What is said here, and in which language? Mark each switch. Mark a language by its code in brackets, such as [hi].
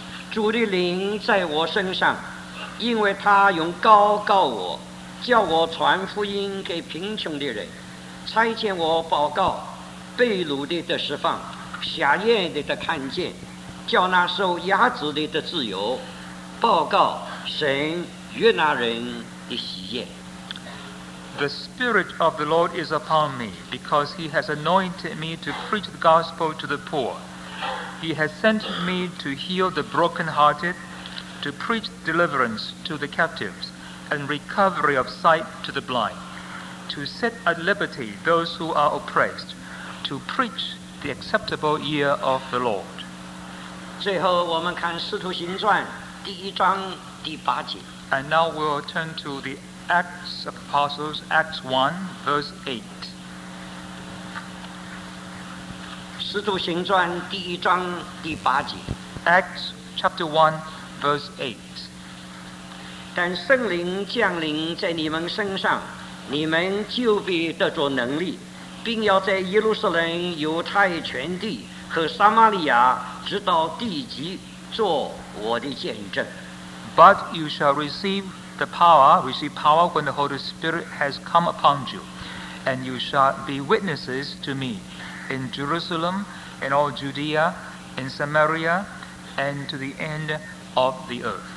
[zh] 主的灵在我身上，因为他用膏膏我，叫我传福音给贫穷的人，差遣我报告被掳的得释放，瞎眼的得看见，叫那受压制的得自由，报告神悦纳人的喜悦。 [en] The Spirit of the Lord is upon me, because He has anointed me to preach the gospel to the poor. He has sent me to heal the brokenhearted, to preach deliverance to the captives, and recovery of sight to the blind, to set at liberty those who are oppressed, to preach the acceptable year of the Lord. [zh] 最后我们看《使徒行传》第一章第八节。 [en] And now we'll turn to the Acts of Apostles, Acts 1, verse 8. [zh] 《使徒行传》第一章第八节 [en] Acts chapter 1 verse 8 [zh] 但圣灵降临在你们身上你们就必得着能力并要在耶路撒冷犹太全地和撒玛利亚直到地极做我的见证 [en] But you shall receive the power receive power when the Holy Spirit has come upon you and you shall be witnesses to meIn Jerusalem, in all Judea, in Samaria, and to the end of the earth.